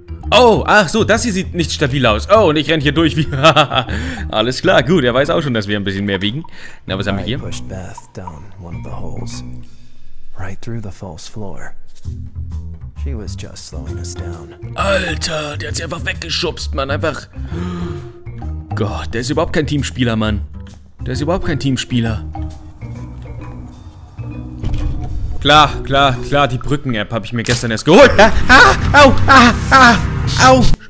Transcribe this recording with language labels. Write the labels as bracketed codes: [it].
[de] Oh, ach so, das hier sieht nicht stabil aus. Oh, und ich renne hier durch wie... Alles klar, gut, er weiß auch schon, dass wir ein bisschen mehr wiegen. Na, was haben wir hier? [en] Pushed Beth down one of the holes. Right through the false floor. She was just slowing us down. [de] Alter, der hat sie einfach weggeschubst, Mann, einfach... Gott, der ist überhaupt kein Teamspieler, Mann. Der ist überhaupt kein Teamspieler. Klar, die Brücken-App habe ich mir gestern erst geholt. Au!